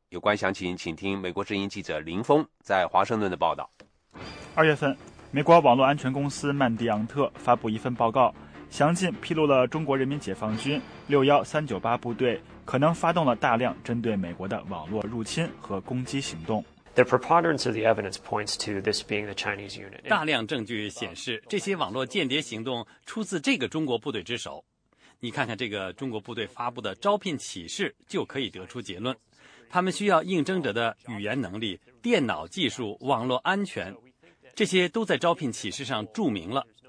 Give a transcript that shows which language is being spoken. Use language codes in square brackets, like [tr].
[zh] 有关详情请听美国之音记者林峰在华盛顿的报道。二月份，美国网络安全公司曼迪昂特发布一份报告，详尽披露了中国人民解放军61398部队可能发动了大量针对美国的网络入侵和攻击行动。 [en] The preponderance of the evidence points to this being the Chinese unit. [zh] 大量证据显示，这些网络间谍行动出自这个中国部队之手。你看看这个中国部队发布的招聘启事，就可以得出结论。他们需要应征者的语言能力、电脑技术、网络安全，这些都在招聘启事上注明了。